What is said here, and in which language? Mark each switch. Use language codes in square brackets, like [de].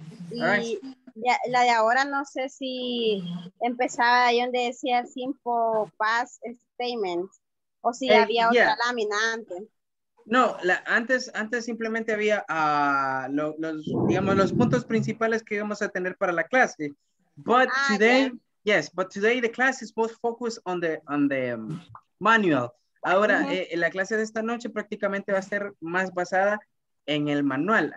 [es] Y ya, la de ahora no sé si empezaba ahí donde decía simple past statement o si había otra lámina antes. No, antes simplemente había los puntos principales que íbamos a tener para la clase. [en] But today, yes, but today the class is both focused on the manual. [es] Ahora, la clase de esta noche prácticamente va a ser más basada en el manual.